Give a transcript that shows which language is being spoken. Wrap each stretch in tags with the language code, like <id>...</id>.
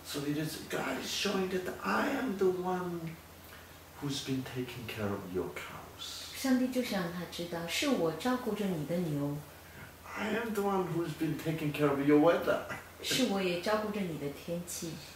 <en>so it is God is showing that I am the one who's been taking care of your cows.</en> <zh>上帝就想他知道, 是我照顾着你的牛,</zh> <en>I am the one who's been taking care of your weather.</en> <zh>是我也照顾着你的天气。</zh>